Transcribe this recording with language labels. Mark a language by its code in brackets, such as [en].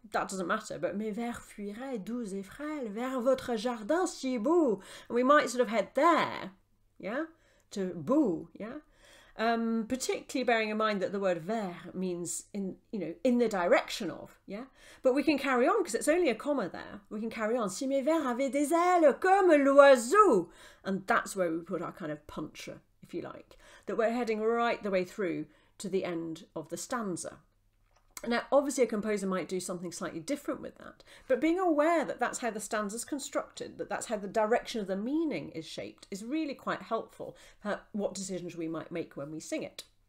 [en] That doesn't matter, but [fr] mes vers fuiraient doux et frêles vers votre jardin si beau. [en] And we might sort of head there, yeah? To beau, yeah? Particularly bearing in mind that the word vers means in the direction of, yeah? But we can carry on because it's only a comma there. We can carry on. [fr] Si mes vers avaient des ailes comme l'oiseau. [en] And that's where we put our kind of puncher, if you like, that we're heading right the way through to the end of the stanza. Now, obviously a composer might do something slightly different with that, but being aware that that's how the stanza's constructed, that that's how the direction of the meaning is shaped, is really quite helpful for what decisions we might make when we sing it.